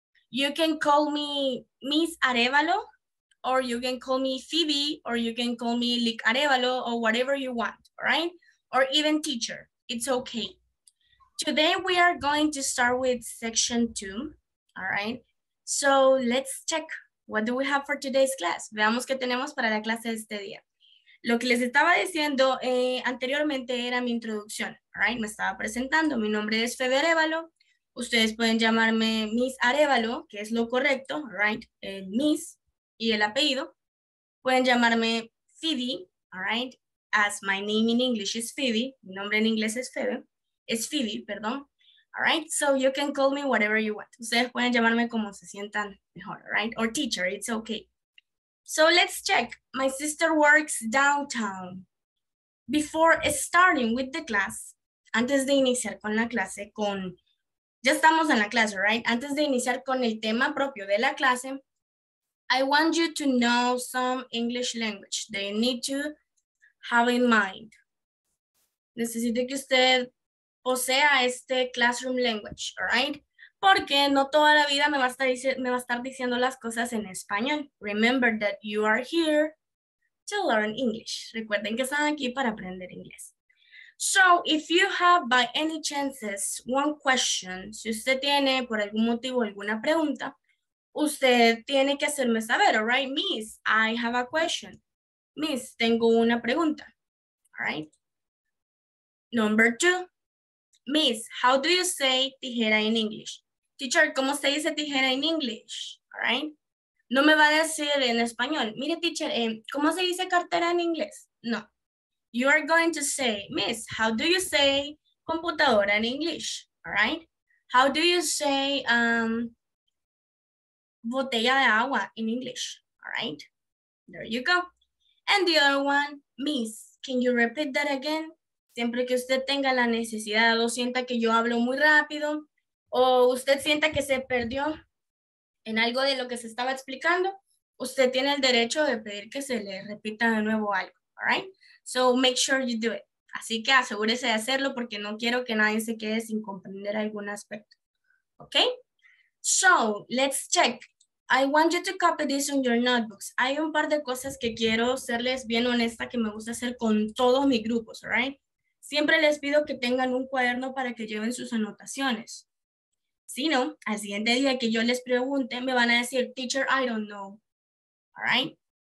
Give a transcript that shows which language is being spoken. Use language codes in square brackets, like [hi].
[en] You can call me Miss Arevalo, or you can call me Phoebe, or you can call me Lick Arevalo, or whatever you want, all right? Or even teacher, it's okay. Today we are going to start with section two, all right? So let's check, what do we have for today's class? [es] Veamos qué tenemos para la clase de este día. Lo que les estaba diciendo anteriormente era mi introducción, all right? Me estaba presentando, mi nombre es Febe Arevalo, ustedes pueden llamarme Miss Arevalo, que es lo correcto, right? Miss y el apellido. Pueden llamarme Phoebe, all right? [en] As my name in English is Phoebe. [es] Mi nombre en inglés es Febe. Es Phoebe, perdón. All right? [en] So you can call me whatever you want. [es] Ustedes pueden llamarme como se sientan mejor, right? [en] Or teacher, it's okay. So let's check. My sister works downtown. Before starting with the class, [es] antes de iniciar con la clase, con... Ya estamos en la clase, [en] right? [es] Antes de iniciar con el tema propio de la clase, [en] I want you to know some English language that you need to have in mind. [es] Necesito que usted posea este classroom language, all right? Porque no toda la vida me va a estar diciendo las cosas en español. [en] Remember that you are here to learn English. [es] Recuerden que están aquí para aprender inglés. [en] So if you have by any chances one question, [es] si usted tiene por algún motivo alguna pregunta, usted tiene que hacerme saber, all right? [en] Miss, I have a question. Miss, [es] tengo una pregunta, [en] all right? Number two, Miss, how do you say tijera in English? [es] Teacher, ¿cómo se dice tijera [en] in English? [es] All right? No me va a decir en español, mire teacher, ¿cómo se dice cartera en inglés? No. [en] You are going to say, Miss, how do you say computadora in English? All right? How do you say [es] botella de agua [en] in English? All right? There you go. And the other one, Miss, can you repeat that again? [es] Siempre que usted tenga la necesidad o sienta que yo hablo muy rápido o usted sienta que se perdió en algo de lo que se estaba explicando, usted tiene el derecho de pedir que se le repita de nuevo algo. All right? [en] So make sure you do it. [es] Así que asegúrese de hacerlo porque no quiero que nadie se quede sin comprender algún aspecto. [en] Okay? So let's check. I want you to copy this on your notebooks. [es] Hay un par de cosas que quiero serles bien honesta que me gusta hacer con todos mis grupos, all right? Siempre les pido que tengan un cuaderno para que lleven sus anotaciones. Si no, al siguiente día que yo les pregunte, me van a decir, teacher, [en] I don't know, [es] all right?